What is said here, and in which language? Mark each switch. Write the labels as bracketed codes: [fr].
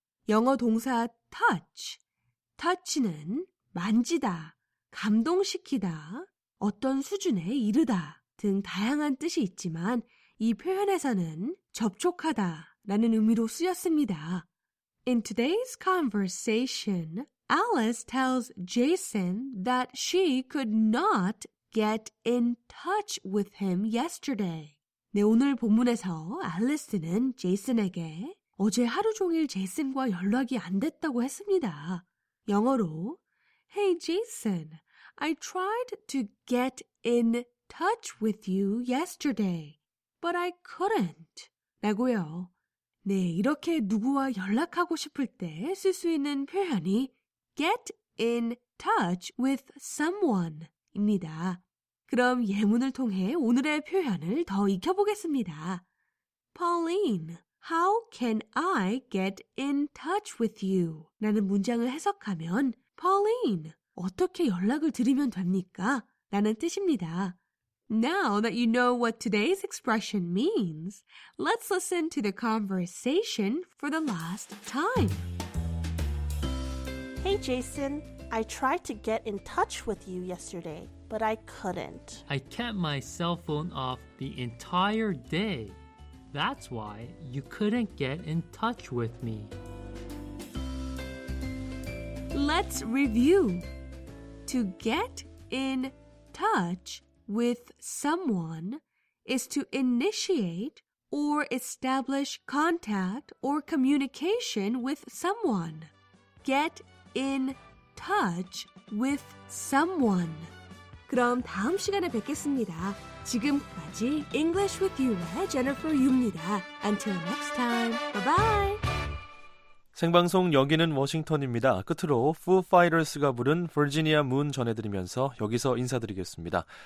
[ko] 영어 동사 touch, touch는 만지다, 감동시키다, 어떤 수준에 이르다 등 다양한 뜻이 있지만 이 표현에서는 접촉하다 라는 의미로 쓰였습니다. [en] In today's conversation, Alice tells Jason that she could not get in touch with him yesterday. [ko] 네, 오늘 본문에서 앨리스는 제이슨에게 어제 하루 종일 제이슨과 연락이 안 됐다고 했습니다. 영어로 [en] Hey Jason, I tried to get in touch with you yesterday, but I couldn't. [ko] 라고요. 네, 이렇게 누구와 연락하고 싶을 때 쓸 수 있는 표현이 [en] get in touch with someone [ko] 입니다. 그럼 예문을 통해 오늘의 표현을 더 익혀보겠습니다. [en] Pauline, how can I get in touch with you? [ko] 라는 문장을 해석하면 Pauline, 어떻게 연락을 드리면 됩니까? 라는 뜻입니다. [en] Now that you know what today's expression means, let's listen to the conversation for the last time. Hey Jason, I tried to get in touch with you yesterday, but I couldn't. I kept my cell phone off the entire day. That's why you couldn't get in touch with me. Let's review. To get in touch with someone is to initiate or establish contact or communication with someone. Get in touch with someone. [ko] 그럼 다음 시간에 뵙겠습니다. 지금까지 English with You의 Jennifer Yu입니다. [en] Until next time. Bye-bye. [ko] 생방송 여기는 워싱턴입니다. 끝으로 Foo Fighters가 부른 Virginia Moon 전해드리면서 여기서 인사드리겠습니다.